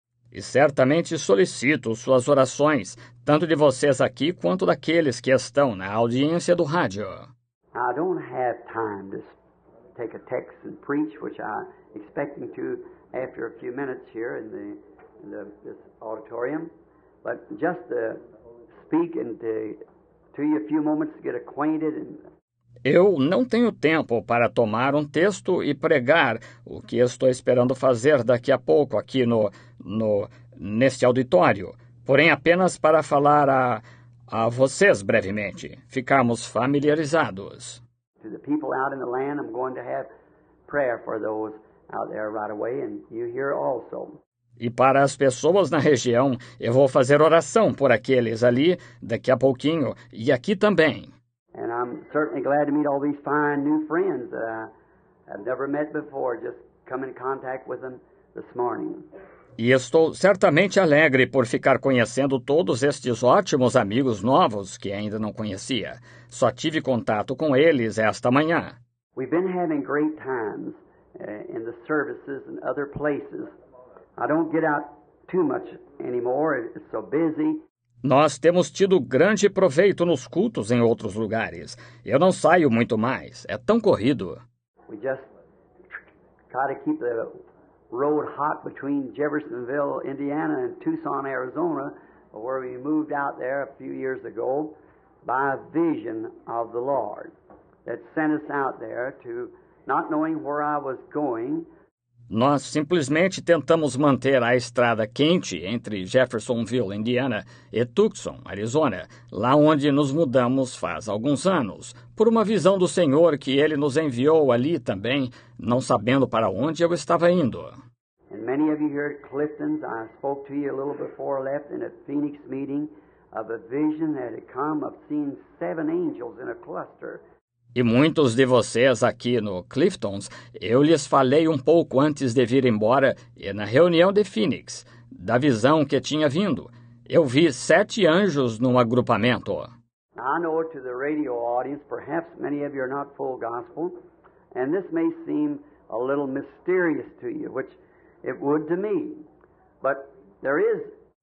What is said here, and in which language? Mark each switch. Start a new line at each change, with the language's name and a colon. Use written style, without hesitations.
Portuguese: E certamente solicito suas orações, tanto de vocês aqui quanto daqueles que estão na audiência do rádio.
English: I don't have time to take a text and preach, which I'm expecting to after a few minutes here in this auditorium, but just to speak and to you a few moments to get acquainted and.
Portuguese: Eu não tenho tempo para tomar um texto e pregar o que estou esperando fazer daqui a pouco aqui neste auditório. Porém, apenas para falar a vocês brevemente, ficarmos familiarizados.
English: To the people out in the land, I'm going to have prayer for those out there right away, and you here also.
Portuguese: E para as pessoas na região, eu vou fazer oração por aqueles ali daqui a pouquinho e aqui também.
English: And I'm certainly glad to meet all these fine new friends that I have never met before, just come in contact with them this morning.
Portuguese: E estou certamente alegre por ficar conhecendo todos estes ótimos amigos novos que ainda não conhecia. Só tive contato com eles esta manhã.
English: We've been having great times in the services and other places. I don't get out too much anymore, it's so busy.
Portuguese: Nós temos tido grande proveito nos cultos em outros lugares. Eu não saio muito mais. É tão corrido.
English: We just try to keep the road hot between Jeffersonville, Indiana, and Tucson, Arizona, where we moved out there a few years ago by a vision of the Lord that sent us out there to not knowing where I was going.
Portuguese: Nós simplesmente tentamos manter a estrada quente entre Jeffersonville, Indiana, e Tucson, Arizona, lá onde nos mudamos faz alguns anos, por uma visão do Senhor que Ele nos enviou ali também, não sabendo para onde eu estava indo. E muitos de vocês aqui em Clifton's, eu
English: spoke to you a little before I left in a Phoenix meeting of a vision that had come of seeing seven angels in a cluster.
Portuguese: E muitos de vocês aqui no Clifton's, eu lhes falei um pouco antes de vir embora e na reunião de Phoenix, da visão que tinha vindo. Eu vi sete anjos num agrupamento.
English: I know to the radio audience, perhaps many of you are not full gospel, and this may seem a little mysterious to you, which it would to me, but there is.